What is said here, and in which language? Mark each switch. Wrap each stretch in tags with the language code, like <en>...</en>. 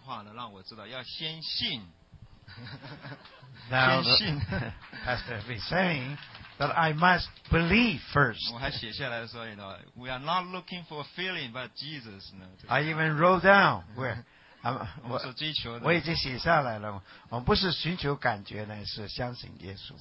<zh>所以这次这个周牧师这句话呢，让我知道要先信。</zh> <en>Now, Pastor is saying that I must believe first.</en> <zh>我还写下来说,</zh> <en>you know, we are not looking for a feeling, but Jesus. No, I even wrote down where.</en> <zh>我们所追求的，我已经写下来了。我们不是寻求感觉呢，是相信耶稣。</zh>